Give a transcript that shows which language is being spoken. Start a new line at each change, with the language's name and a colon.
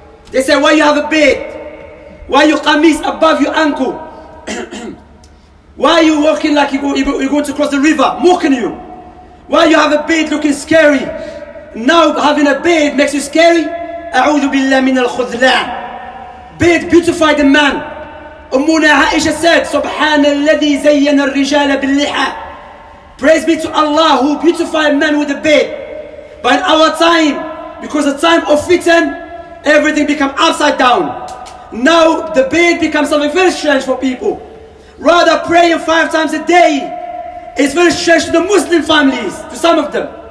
English: They say, why you have a beard? Why your qamis above your ankle? Why are you walking like you're going to cross the river, mocking you? Why you have a beard looking scary? Now having a beard makes you scary?
Arabic: أعوذ بالله من الخذلان.
English: Beard beautified the man.
Arabic: أمنا عائشة said, سبحان الذي زين الرجال باللحى.
English: Praise be to Allah who beautified man with a beard. But in our time, because the time of fitan, everything become upside down. Now the beard becomes something very strange for people. Rather praying 5 times a day is very strange to the Muslim families, to some of them.